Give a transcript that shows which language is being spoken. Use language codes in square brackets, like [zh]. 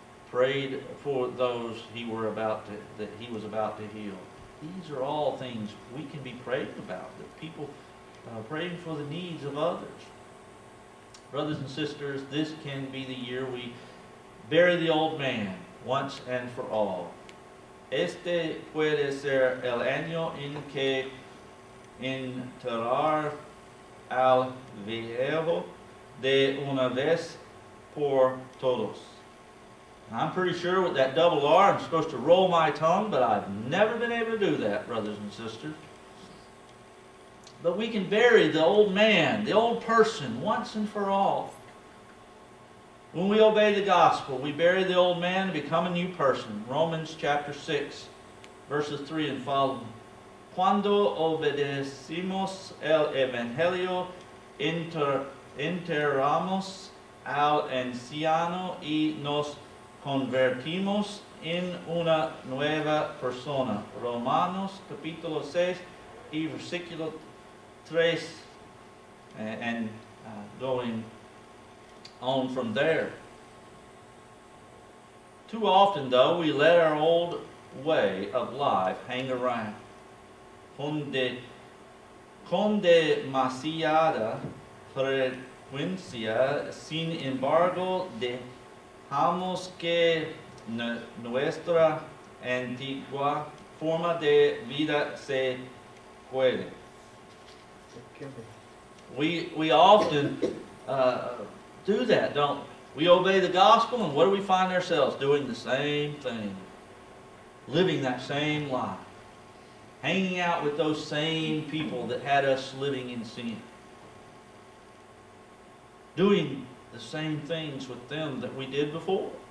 [en] Prayed for those he was about to heal. These are all things we can be praying about. The people praying for the needs of others. Brothers and sisters, this can be the year we bury the old man once and for all. [es] Este puede ser el año en que enterrar al viejo de una vez por todos. [en] I'm pretty sure with that double R, I'm supposed to roll my tongue, but I've never been able to do that, brothers and sisters. But we can bury the old man, the old person, once and for all. When we obey the gospel, we bury the old man and become a new person. Romans chapter 6, verses 3 and following. [es] Cuando obedecimos el evangelio, enterramos al anciano y nos convertimos en una nueva persona. Romanos capítulo 6 y versículo 3 [en] and going on from there. Too often though, we let our old way of life hang around. [es] Con demasiada frecuencia, sin embargo, dejamos que nuestra antigua forma de vida se cuele. [en] We often do that, don't we? We obey the gospel, and what do we find ourselves doing? The same thing. Living that same life. Hanging out with those same people that had us living in sin. Doing the same things with them that we did before.